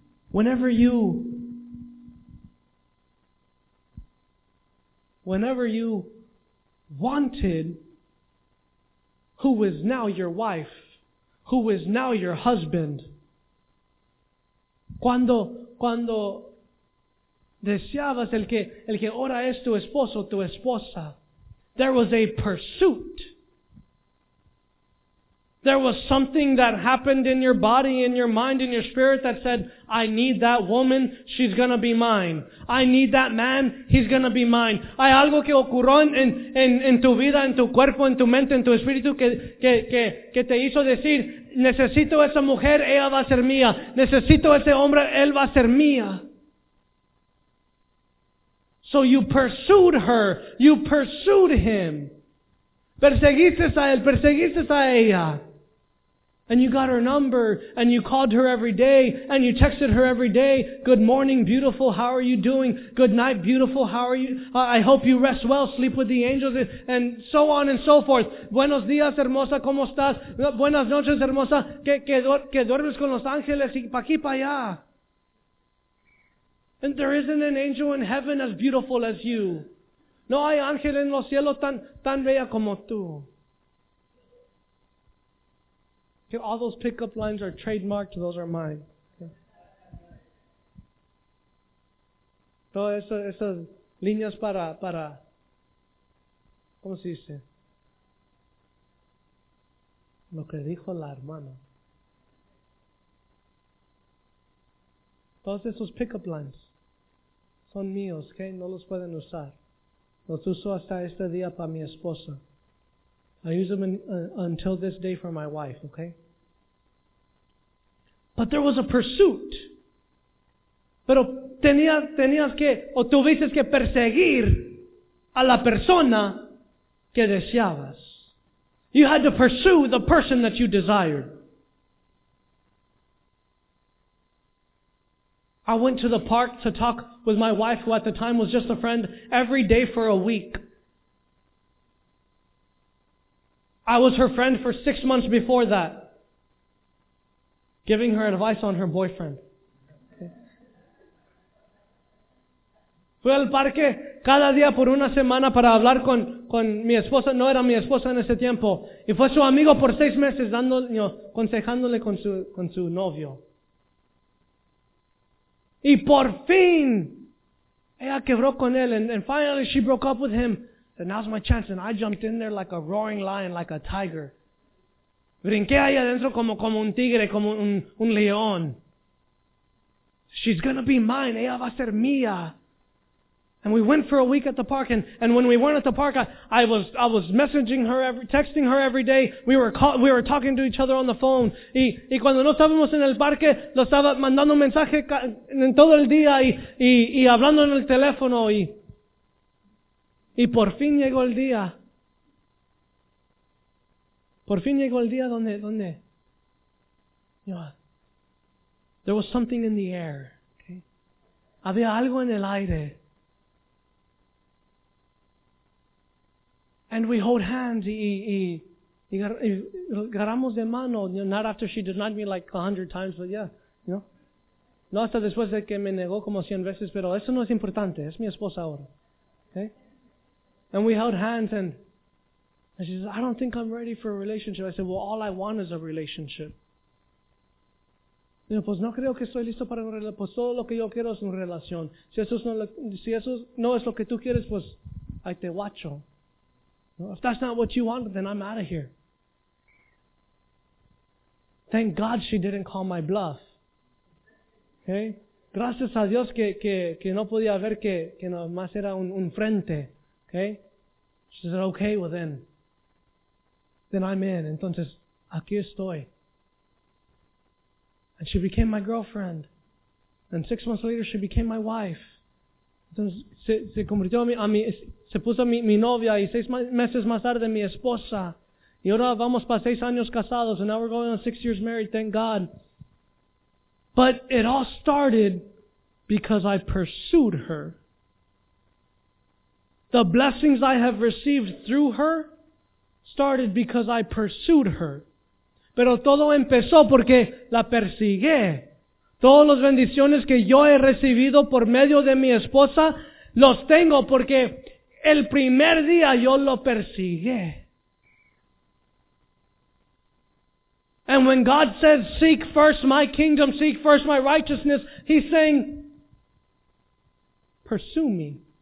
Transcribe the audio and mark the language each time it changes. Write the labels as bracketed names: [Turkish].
[English] Whenever you wanted who is now your wife, who is now your husband, [Spanish] cuando deseabas el que ahora es tu esposo, tu esposa, [English] there was a pursuit. There was something that happened in your body, in your mind, in your spirit that said, I need that woman, she's gonna be mine. I need that man, he's gonna be mine. [Spanish] Hay algo que ocurrió en tu vida, en tu cuerpo, en tu mente, en tu espíritu que te hizo decir, necesito esa mujer, ella va a ser mía. Necesito ese hombre, él va a ser mía. [English] So you pursued her, you pursued him. [Spanish] Perseguiste a él, perseguiste a ella. [English] And you got her number, and you called her every day, and you texted her every day. Good morning, beautiful, how are you doing? Good night, beautiful, how are you? I hope you rest well, sleep with the angels, and so on and so forth. [Spanish] Buenos días, hermosa, ¿cómo estás? Buenas noches, hermosa, ¿qué duermes con los ángeles? Y pa' aquí, pa' allá. [English] And there isn't an angel in heaven as beautiful as you. [Spanish] No hay ángel en los cielos tan bella como tú. [English] Okay, all those pickup lines are trademarked, those are mine. [Spanish] Todas esas líneas para ¿cómo se dice? Lo que dijo la hermana. Todos esos pickup lines son míos, ¿ok? No los pueden usar. Los uso hasta este día para mi esposa. [English] I use them until this day for my wife, ¿ok? But there was a pursuit. [Spanish] Pero tenías que, o tuviste que perseguir a la persona que deseabas. [English] You had to pursue the person that you desired. I went to the park to talk with my wife, who at the time was just a friend, every day for a week. I was her friend for 6 months before that, giving her advice on her boyfriend. [Spanish] Fui al parque cada día por una semana para hablar con mi esposa. No era mi esposa en ese tiempo. Y fue su amigo por 6 meses, aconsejándole con su novio. Y por fin, ella quebró con él. [English] And finally she broke up with him. And now's my chance. And I jumped in there like a roaring lion, like a tiger. [Spanish] Brinqué ahí adentro como un tigre, como un león. [English] She's gonna be mine. [Spanish] Ella va a ser mía. [English] And we went for a week at the park, and when we weren't at the park, I was messaging her, texting her every day. We were talking to each other on the phone. [Spanish] Y cuando no estábamos en el parque, lo estaba mandando mensajes en todo el día y hablando en el teléfono. Y por fin llegó el día. Por fin llegó el día donde. [English] You know, there was something in the air. [Spanish] Okay? Había algo en el aire. [English] And we hold hands. [Spanish] Y agarramos de mano. [English] You know, not after she denied me like 100 times, but yeah. You know? [Spanish] No hasta después de que me negó como 100 veces, pero eso no es importante. Es mi esposa ahora. Okay? [English] And we held hands and she says, I don't think I'm ready for a relationship. I said, well, all I want is a relationship. [Spanish] Dijo, pues no creo que estoy listo para una relación. Pues todo lo que yo quiero es una relación. Si eso no es lo que tú quieres, pues ahí te guacho. [English] If that's not what you want, then I'm out of here. Thank God she didn't call my bluff. Okay? [Spanish] Gracias a Dios que no podía ver que nada más era un frente. [English] Okay? She said, okay, well then. Then I'm in. [Spanish] Entonces, aquí estoy. [English] And she became my girlfriend. And 6 months later, she became my wife. [Spanish] Entonces, se convirtió se puso mi novia y 6 meses más tarde mi esposa. Y ahora vamos para 6 años casados. [English] And now we're going on 6 years married, thank God. But it all started because I pursued her. The blessings I have received through her started because I pursued her. [Spanish] Pero todo empezó porque la persigué. Todas las bendiciones que yo he recibido por medio de mi esposa, los tengo porque el primer día yo lo persigué. [English] And when God says, seek first my kingdom, seek first my righteousness, He's saying, pursue me.